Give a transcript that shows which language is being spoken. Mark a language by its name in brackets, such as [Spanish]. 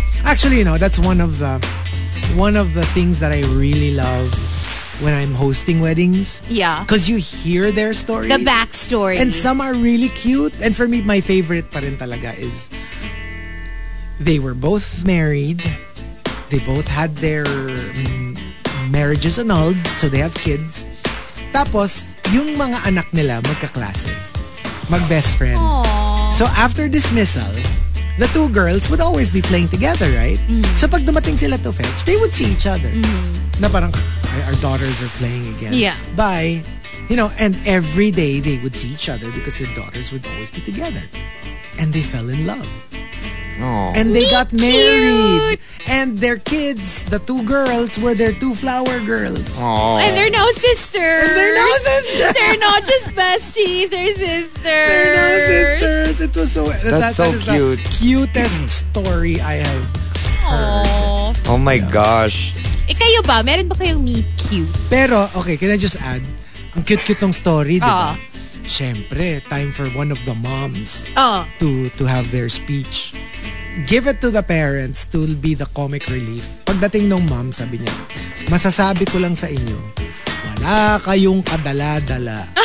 [English] Actually, you know, that's one of the things that I really love when I'm hosting weddings. Yeah. Because you hear their stories. The backstory. And some are really cute. And for me, my favorite [Filipino] pa rin talaga [English] is they were both married. They both had their marriages annulled, so they have kids. [Filipino] Tapos, yung mga anak nila magkaklase. Mag-best friend. [English] Aww. So after dismissal, the two girls would always be playing together, right? Mm-hmm. [Filipino] So pag dumating sila [English] to fetch, they would see each other. Mm-hmm. [Filipino] Na parang, [English] our daughters are playing again. Yeah. Bye. You know, and every day they would see each other because their daughters would always be together. And they fell in love. And they got married. And their kids, the two girls, were their two flower girls. Aww. And they're now sisters. And they're now sisters. They're not just besties. They're sisters. They're now sisters. It was so... That's so cute. The cutest story I have heard. Aww. Oh my gosh. [Filipino] Ikayo ba? Meron ba kayong meet cute? Pero, [English] okay, can I just add? [Filipino] Ang cute-cute ng story, di ba? Siyempre, [English] time for one of the moms to have their speech. Give it to the parents to be the comic relief. [Filipino] Pagdating ng mom, sabi niya, masasabi ko lang sa inyo, wala kayong kadala-dala.